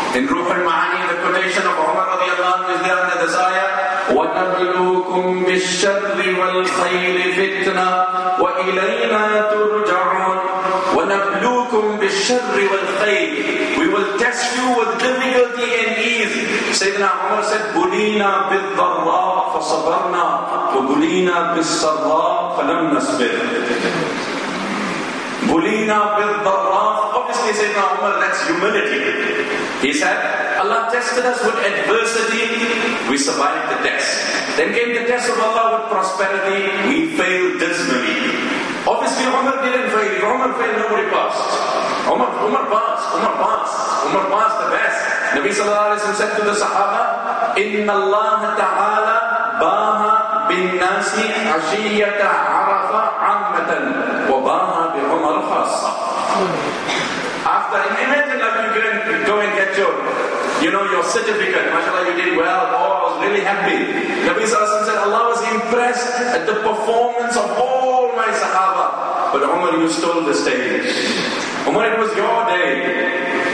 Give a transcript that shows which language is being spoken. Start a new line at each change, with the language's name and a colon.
English: In Ruh al-Ma'ani, the quotation of Umar radiallahu anhu is there under this ayah.
Arabic: وَنَبْلُوكُمْ بِالشَّرِّ وَالْخَيْرِ فِتْنَةً وَإِلَيْنَا تُرْجَعُونَ. وَنَبْلُوكُمْ بِالشَّرِّ وَالْخَيْرِ.
English: We will test you with difficulty and ease. Sayyidina Umar said,
Arabic: بُلِينَا بِالضَّرَّاءِ فَصَبَرْنَا وَبُلِينَا بِالسَّرَّاءِ فَلَمْ نَصْبِرْ. بُلِينَا بِالضَّرَّاءِ.
English: Obviously Sayyidina Umar, that's humility. He said, Allah tested us with adversity, we survived the test. Then came the test of Allah with prosperity, we failed dismally. Obviously Umar didn't fail. If Umar failed, nobody passed. Umar passed the best. Nabi sallallahu alayhi wa sallam said to the Sahaba,
Arabic: إِنَّ اللَّهَ تَعَالَى بَاهَ بِالنَّاسِ عَشِيَّةَ عَرَفَ عَمَّةً وَبَاهَ بِعُمَرْ خَاسَّةً.
English: After, imagine like you can go and get your certificate, mashallah, you did well, oh, I was really happy. Nabi sallallahu alayhi wa sallam said, Allah was impressed at the performance of all my Sahaba. But Umar, you stole the stage. Umar, it was your day.